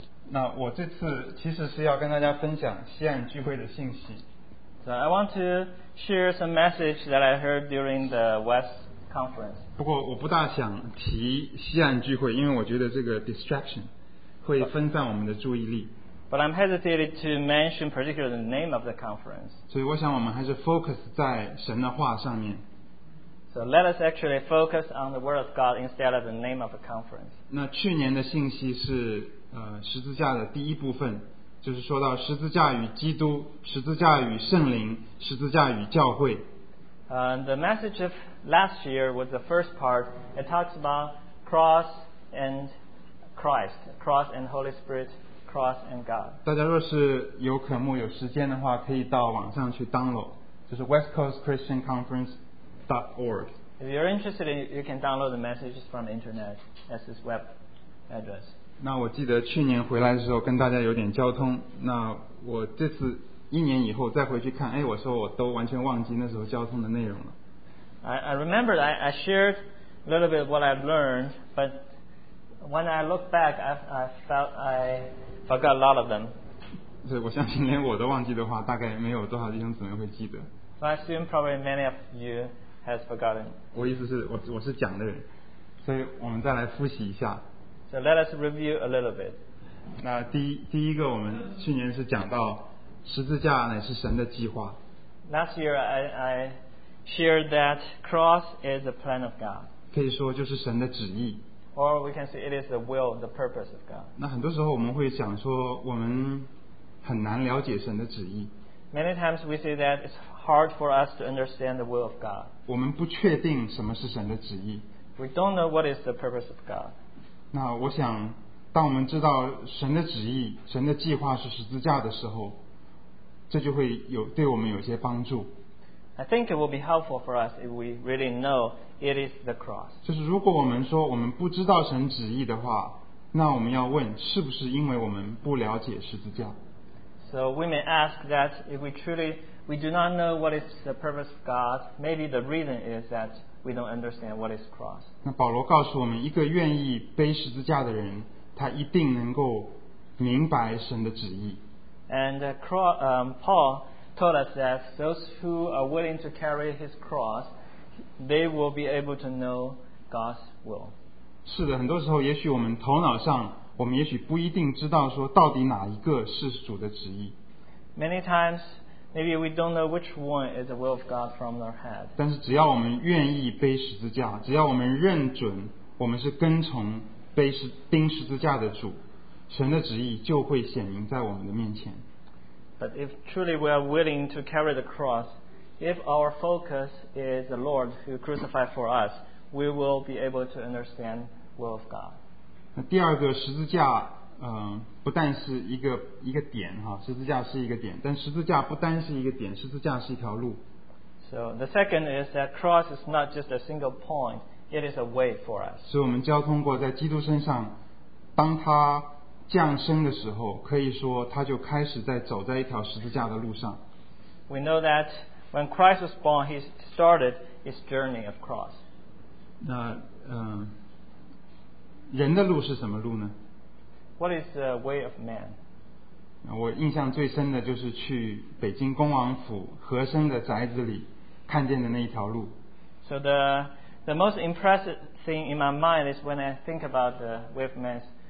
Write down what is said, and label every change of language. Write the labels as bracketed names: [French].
[Chinese] 那我这次其实是要跟大家分享西岸聚会的信息。 [English] So I want to share some message that I heard during the West conference. [Chinese] 不过我不大想提西岸聚会，因为我觉得这个 distraction 会分散我们的注意力。 [English] But I'm hesitated to mention particularly the name of the conference. [Chinese] 所以我想我们还是 focus 在神的话上面。 [English] So let us actually focus on the word of God instead of the name of a conference. [Chinese] 那去年的信息是十字架的第一部分，就是说到十字架与基督、十字架与圣灵、十字架与教会。 [English] The message of last year was the first part. It talks about cross and Christ, cross and Holy Spirit, cross and God. [Chinese] 大家若是有可慕、有时间的话，可以到网上去 download， 就是 West Coast Christian Conference. [English] If you're interested, you can download the messages from the internet as this web address. [Chinese] 那我记得去年回来的时候跟大家有点交通，那我这次一年以后再回去看，哎，我说我都完全忘记那时候交通的内容了。 [English] I remember I shared a little bit of what I learned, but when I look back, I felt I forgot a lot of them. [Chinese] 所以我相信连我都忘记的话，大概没有多少弟兄姊妹会记得。 [English] So I assume probably many of you has forgotten. [Chinese] 我意思是 我是讲的人，所以我们再来复习一下。 [English] So let us review a little bit. [Chinese] 那第一个我们去年是讲到十字架乃是神的计划。 [English] Last year I shared that cross is the plan of God. [Chinese] 可以说就是神的旨意。 [English] Or we can say it is the will, the purpose of God. [Chinese] 那很多时候我们会讲说我们很难了解神的旨意。 [English] Many times we say that it's hard for us to understand the will of God. [Chinese] 我们不确定什么是神的旨意。 [English] We don't know what is the purpose of God. [Chinese] 那我想，当我们知道神的旨意、神的计划是十字架的时候，这就会有对我们有些帮助。 [English] I think it will be helpful for us if we really know it is the cross. [Chinese] 就是如果我们说我们不知道神旨意的话，那我们要问是不是因为我们不了解十字架。 [English] So we may ask that if we do not know what is the purpose of God, maybe the reason is that we don't understand what is cross. [Chinese] 那保罗告诉我们，一个愿意背十字架的人，他一定能够明白神的旨意。 [English] And Paul told us that those who are willing to carry his cross, they will be able to know God's will. [Chinese] 是的，很多时候也许我们头脑上我们也许不一定知道说到底哪一个是主的旨意。 [English] Many times, maybe we don't know which one is the will of God from our head. [Chinese] 但是只要我们愿意背十字架，只要我们认准我们是跟从钉十字架的主，神的旨意就会显明在我们的面前。 [English] But if truly we are willing to carry the cross, if our focus is the Lord who crucified for us, we will be able to understand the will of God. [Chinese] 那第二个十字架，不但是一个点哈，十字架是一个点，但十字架不单是一个点，十字架是一条路。 [English] So the second is that cross is not just a single point, it is a way for us. [Chinese] 是我们交通过在基督身上，当他降生的时候，可以说他就开始在走在一条十字架的路上。 [English] We know that when Christ was born, he started his journey of cross. [Chinese] 那人的路是什么路呢？ [English] What is the way of man? [Chinese] 我印象最深的就是去北京恭王府和珅的宅子里看见的那一条路。 [English] So the most impressive thing in my mind is when I think about the way of man.